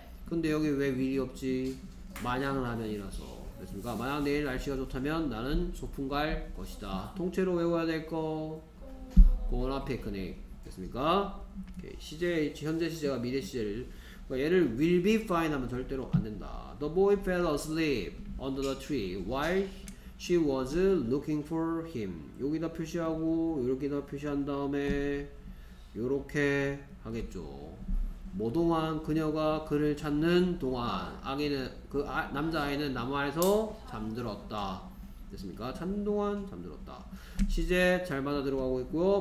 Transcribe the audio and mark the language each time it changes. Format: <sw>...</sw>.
<ko>근데 여기 왜 will이 없지? 만약 라면이라서. 됐습니까? 만약 내일 날씨가 좋다면 나는 소풍 갈 것이다. 통째로 외워야 될 거. Go on a picnic. 됐습니까? 오케이. 시제, 현재 시제가 미래 시제를. 얘를 will be fine 하면 절대로 안 된다.</ko> <en>The boy fell asleep under the tree while she was looking for him.</en> <ko>여기다 표시하고 여기다 표시한 다음에 요렇게 하겠죠. 뭐 동안 그녀가 그를 찾는 동안 아기는 그 아, 남자아이는 나무 아래서 잠들었다. 됐습니까? 찾는 동안 잠들었다. 시제 잘 받아 들어가고 있고요.</ko>